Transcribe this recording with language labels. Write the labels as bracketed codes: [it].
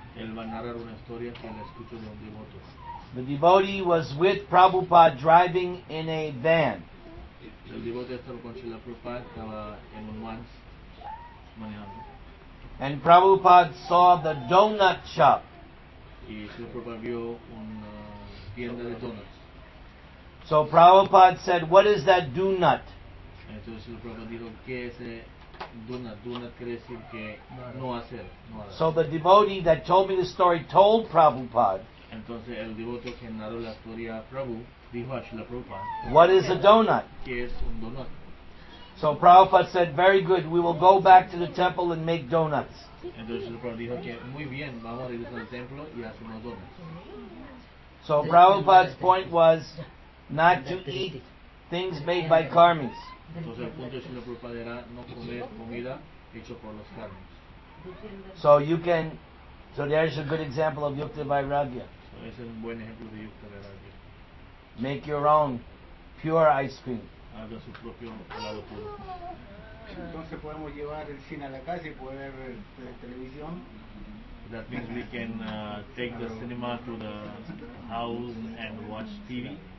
[es] Él va a narrar una historia que le escucho de un devoto. [en] The devotee was with Prabhupada driving in a van. [es] El devoto estaba con Srila Prabhupada, estaba en un once, manejando. [en] And Prabhupada saw the donut shop. [es] Y Srila Prabhupada vio una tienda de donuts. [en] So Prabhupada said, "What is that donut?" [es] Entonces Srila Prabhupada dijo, "¿Qué es ese donut? Donut quiere decir que no hacer, no hacer." [en] So the devotee that told me the story told Prabhupada. [es] Entonces el devoto que narró la historia a Prabhu dijo a Srila Prabhupada, [en] "What is a donut?" [es] ¿Qué es un donut? [en] So Prabhupada said, "Very good. We will go back to the temple and make donuts." [es] Entonces Srila Prabhupada dijo que muy bien, vamos a regresar al templo y hacer unos donuts. [en] So Prabhupada's point was not to eat things made by karmis. [es] Entonces el punto de Srila Prabhupada era no comer comida hecha por los karmis. [en] So you can. So there is a good example of yukta vairagya. [es] So es un buen ejemplo de yukta vairagya. [en] Make your own pure ice cream. [es] Haga su propio helado puro. Entonces podemos llevar el cine a la casa y poder ver televisión. [en] That means we can take the cinema to the house and watch TV.